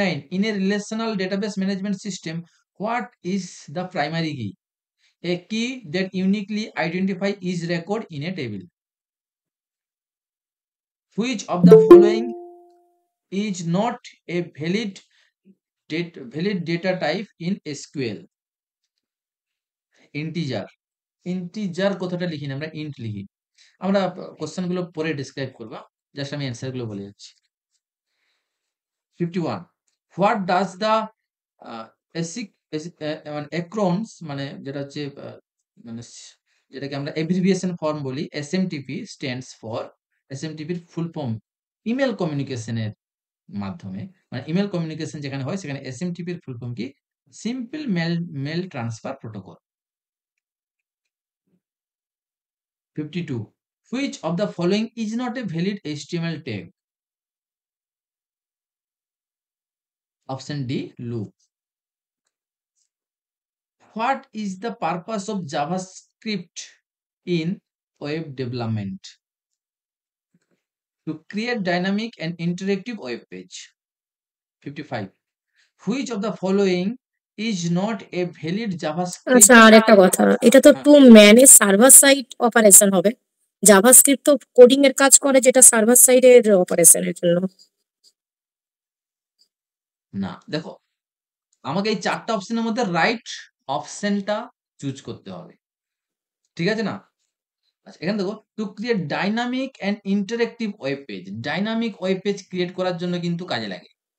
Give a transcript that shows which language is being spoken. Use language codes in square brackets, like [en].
[en] In a relational database management system, what is the primary key? A key that uniquely identifies each record in a table. Which of the following is not a valid [bn] valid data type in SQL, integer, integer কথাটা লিখিনি আমরা, int লিখি, আমরা question গুলো পরে describe করবা, just আমি answer গুলো বলে যাচ্ছি। 51. হোয়াট ডাজ দা এসিক মানে একরনস, মানে যেটা হচ্ছে মানে যেটাকে আমরা এব্রিভিয়েশন ফর্ম বলি, SMTP stands for, SMTP full form email কমিউনিকেশনের মাধ্যমে, মানে ইমেল কমিউনিকেশন যেখানে হয় সেখানে এসএমটিপি এর ফুল ফর্ম কি, simple male male transfer protocol. [en] 52 which of the following is not a valid html tag option d loop what is the purpose of javascript in web development to create dynamic and interactive web page 55 which of the following is not a valid javascript [bn] আচ্ছা আরেকটা কথা এটা তো two ম্যানে server side operation হবে JavaScript তো coding এর কাজ করে যেটা সার্ভার সাইডের অপারেশনের জন্য না দেখো আমাকে এই চারটি অপশনের মধ্যে রাইট অপশনটা চুজ করতে হবে ঠিক আছে না আচ্ছা এখানে দেখো [en] to create dynamic and interactive web page [bn] dynamic web page create করার জন্য কিন্তু কাজে লাগে